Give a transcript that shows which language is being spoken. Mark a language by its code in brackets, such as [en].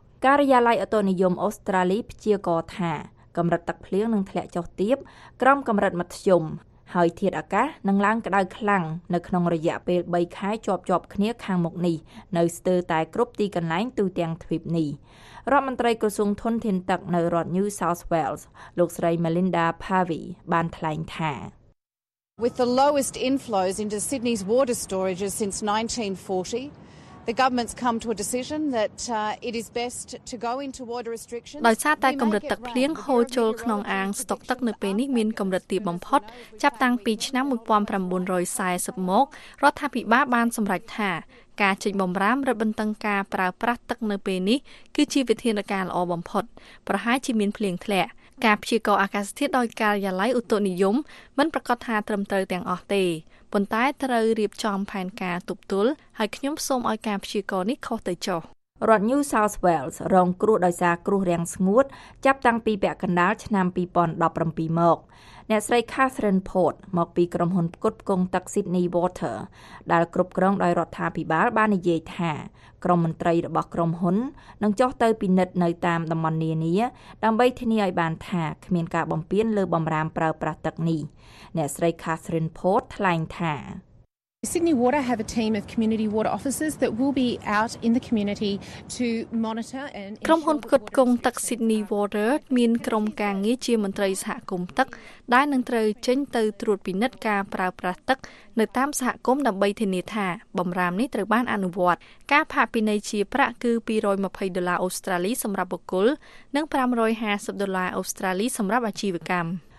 [km] ការិយាល័យអតនិយមអូស្ត្រាលីព្យាករថាកម្រិតទឹកភ្លៀងនឹងធ្លាក់ចុះទាបក្រោមកម្រិតមធ្យមហើយធាតុអាកាសនឹងឡើងក្តៅខ្លាំងនៅក្នុងរយៈពេល3ខែជាប់គ្នាខាងមុខនេះនៅស្ទើរតែគ្រប់ទីកន្លែងទូទាំងទ្វីបនេះរដ្ឋមន្ត្រីក្រសួងធនធានទឹកនៅរដ្ឋ New South Wales លោកស្រី Melinda Pavey បានថ្លែងថា [en] With the lowest inflows into Sydney's water storages since 1940The government's come to a decision that it is best to go into water restrictions. [km] ដោយសារតែកម្រិតទឹកភ្លៀងហូរចូលក្នុងអាងស្តុកទឹកនៅពេលនេះមានកម្រិតទាបបំផុតចាប់តាំងពីឆ្នាំ1940មករដ្ឋាភិបាលបានសម្រេចថាការចេញបំរាមរដ្ឋបន្តឹងការប្រើប្រាស់ទឹកនៅពេលនេះគឺជាវិធានការល្អបំផុតប្រហែលជាមានភ្លៀងធ្លាក់ការព្យាករណ៍អាកាសធាតុដោយការិយាល័យឧតុនិយមមិនប្រកាសថាត្រឹមត្រូវទាំងអស់ទេប៉ុន្តែត្រូវរៀបចំផែនការទប់ទល់ហើយខ្ញុំសូមឲ្យការព្យាករណ៍នេះខុសទៅចុះ រដ្ឋ New South Wales រងគ្រោះដោយសារគ្រោះរាំងស្ងួតចាប់តាំងពីពាក់កណ្ដាលឆ្នាំ2017មកអ្នកស្រី Catherine Port មកពីក្រុមហ៊ុនផ្គត់ផ្គង់ទឹក Sydney Water ដែលគ្រប់គ្រងដោយរដ្ឋាភិបាលបាននិយាយថាក្រុមមន្ត្រីរបស់ក្រុមហ៊ុននឹងចុះទៅពិនិត្យនៅតាមតំបន់នានាដើម្បីធានាឲ្យបានថាគ្មានការបំពានលើបំរាមប្រើប្រាស់ទឹកនេះអ្នកស្រី Catherine Port ថ្លែងថា [en] Sydney Water have a team of community water officers that will be out in the community to monitor and [km] ក្រុមហ៊ុនផ្គត់ផ្គង់ទឹក Sydney Water មានក្រុមការងារជាមន្ត្រីសហគមន៍ទឹកដែលនឹងត្រូវចេញទៅត្រួតពិនិត្យការប្រើប្រាស់ទឹកនៅតាមសហគមន៍ដើម្បីធានាថាបំរាមនេះត្រូវបានអនុវត្តការផាកពិន័យជាប្រាក់គឺ220ដុល្លារអូស្ត្រាលីសម្រាប់បុគ្គលនិង550ដុល្លារអូស្ត្រាលីសម្រាប់អាជីវកម្ម